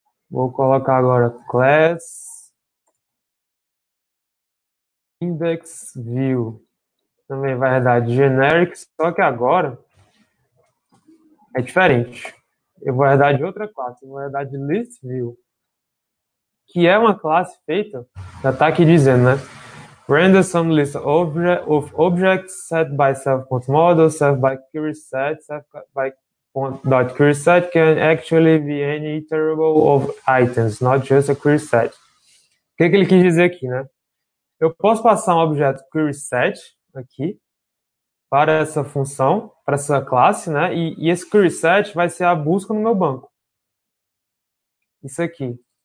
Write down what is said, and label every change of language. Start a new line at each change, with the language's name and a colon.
Portuguese: Vou colocar agora class index view. Também vai herdar de generic, só que agora é diferente. Eu vou herdar de outra classe, eu vou herdar de list view, que é uma classe feita, já está aqui dizendo, né?
English: Render some list of objects set by self.model, set by query set, set by dot query set can actually be any iterable of items, not just a query set.
Portuguese: O que ele quis dizer aqui, né? Eu posso passar um objeto query set aqui para essa função, para essa classe, né? E esse query set vai ser a busca no meu banco. Isso aqui.